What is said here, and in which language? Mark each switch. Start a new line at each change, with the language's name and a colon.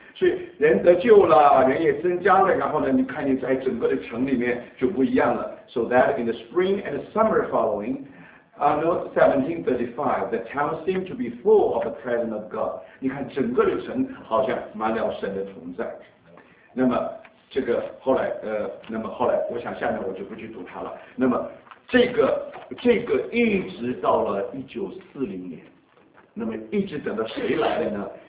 Chinese: 所以人得救了，人也增加了，然后呢你看你在整个的城里面就不一样了。
English: So that in the spring and the summer following Anno 1735, the town seemed to be full of the presence of God.
Chinese: 你看整个的城好像满了神的同在。那么这个后来那么后来我想下面我就不去读它了。那么这个一直到了1940年，那么一直等到谁来了呢？